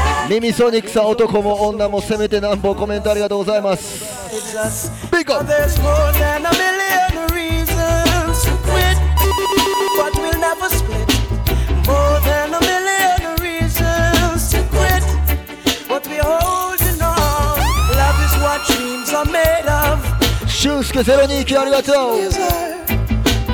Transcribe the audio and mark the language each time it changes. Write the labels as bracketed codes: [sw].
[ja] ミミソニックさん、男も女もせめてなんぼ。コメントありがとうございます。 [en] ビッグ。 There's more than a million reasons to quit, but we'll never split. More than a million reasons to quit, but we're holding on. Love is what dreams are made of. [ja] シュンスケゼロニーキ、ありがとう。